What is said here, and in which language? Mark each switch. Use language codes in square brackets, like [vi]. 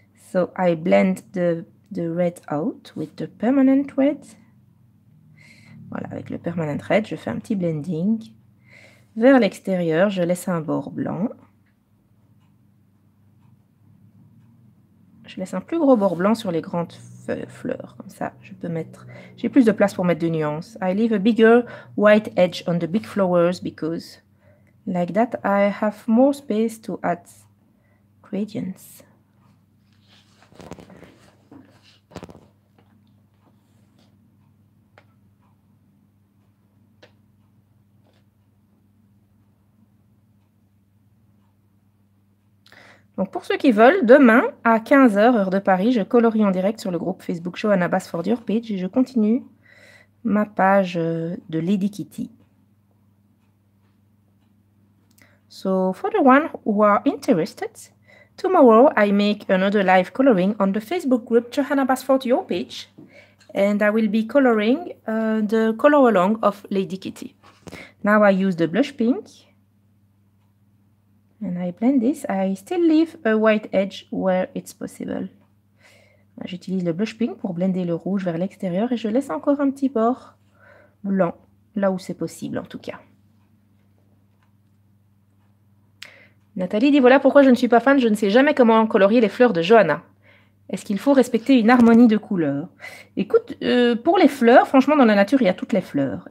[en] So I blend the red out with the permanent red. [fr] Voilà, avec le Permanent Red, je fais un petit blending. Vers l'extérieur, je laisse un bord blanc. Je laisse un plus gros bord blanc sur les grandes fleurs. Comme ça, je peux mettre... J'ai plus de place pour mettre de nuances. [en] I leave a bigger white edge on the big flowers because... Like that, I have more space to add gradients. [fr] Donc pour ceux qui veulent, demain à 15h, heure de Paris, je colorie en direct sur le groupe Facebook Johanna Bass for Dior Page et je continue ma page de Lady Kitty. [en] So for the one who are interested, tomorrow I make another live coloring on the Facebook group Johanna Bass for Dior Page and I will be coloring the color along of Lady Kitty. Now I use the blush pink. And I blend this. I still leave a white edge where it's possible. [fr] J'utilise le blush pink pour blender le rouge vers l'extérieur et je laisse encore un petit bord blanc, là où c'est possible en tout cas. Nathalie dit, voilà pourquoi je ne suis pas fan, je ne sais jamais comment colorier les fleurs de Johanna. Est-ce qu'il faut respecter une harmonie de couleurs? Écoute, pour les fleurs, franchement, dans la nature, il y a toutes les fleurs.